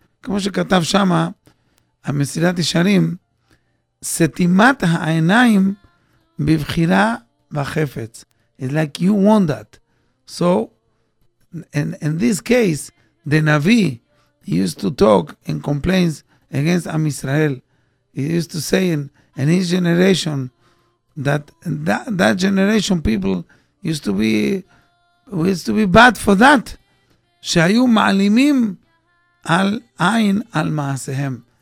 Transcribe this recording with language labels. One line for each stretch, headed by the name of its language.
Hebrew: כמו שכתב שמה, המסילת ישרים, סתימת העיניים בבחירה וחפץ.
English: It's like you want that. So, in this case, the Navi used to talk and complains against Am Israel. He used to say in his generation that generation people used to be bad for that.
Hebrew: שהיו מעלימים על עין, על מעשיהם.